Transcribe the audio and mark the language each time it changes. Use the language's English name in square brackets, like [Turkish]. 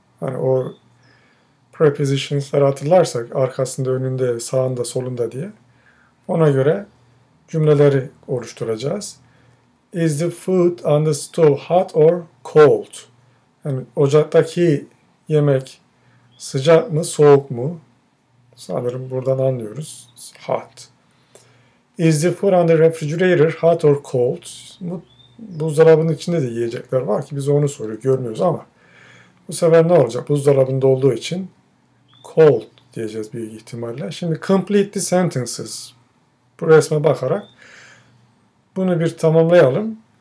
[Turkish] Hani o prepositionsları hatırlarsak arkasında, önünde, sağında, solunda diye. Ona göre cümleleri oluşturacağız. [English] Is the food on the stove hot or cold? [Turkish] Yani ocaktaki yemek sıcak mı, soğuk mu? Sanırım buradan anlıyoruz. [English] Hot. Is the food on the refrigerator hot or cold? [Turkish] Buzdolabının içinde de yiyecekler var ki biz onu soruyoruz, görmüyoruz ama. Bu sefer ne olacak? Buzdolabında olduğu için cold diyeceğiz büyük ihtimalle. Şimdi [English] complete the sentences. [Turkish] Bu resme bakarak bunu bir tamamlayalım.